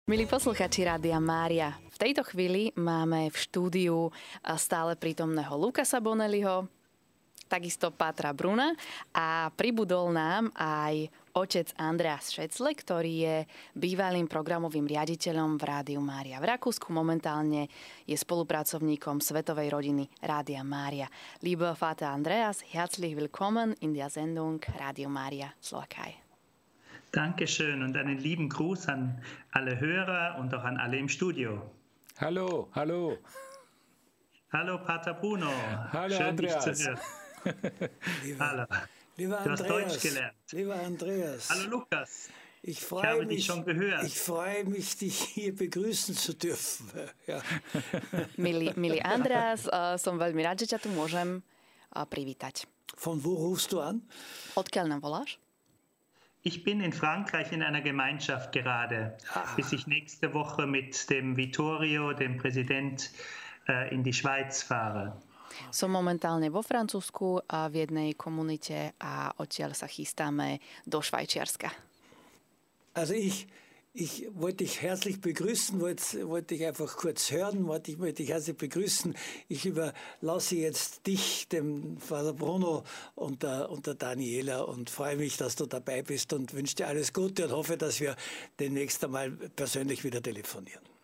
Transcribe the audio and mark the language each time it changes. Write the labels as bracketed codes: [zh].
[sk] Milí posluchači Rádia Mária, v tejto chvíli máme v štúdiu stále prítomného Lukasa Bonelliho, takisto Pátra Bruna a pribudol nám aj otec Andreas Šecle, ktorý je bývalým programovým riaditeľom v Rádiu Mária v Rakúsku. Momentálne je spolupracovníkom Svetovej rodiny Rádia Mária. [de] Lieber Vater Andreas, herzlich willkommen in der Sendung Rádio Mária Slowakei. Dankeschön und einen lieben Gruß an alle Hörer und auch an alle im Studio. Hallo, hallo. Hallo, Pater Bruno. Hallo, schön, Andreas. Schön, dich zu hören. Hallo. Lieber du Du hast Deutsch gelernt. Lieber Andreas. Hallo, Lukas. Ich freue mich, dich hier begrüßen zu dürfen. Ja. [sk] Milý Andreas, som veľmi rád, že ťa tu môžem privítať. [de] Von wo rufst du an? [sk] Odkiaľ nám voláš? [de] Ich bin in Frankreich in einer Gemeinschaft gerade, bis ich nächste Woche mit dem Vittorio, dem Präsident, in die Schweiz fahre. [sk] Som momentálne vo Francúzsku a v jednej komunite a odtiaľ sa chystáme do Švajčiarska. [de] Also ich wollte dich herzlich begrüßen, wollte dich einfach kurz hören, wollte dich herzlich begrüßen. Ich überlasse jetzt dich, dem Vater Bruno und der Daniela und freue mich, dass du dabei bist und wünsche dir alles Gute und hoffe, dass wir demnächst einmal persönlich wieder telefonieren.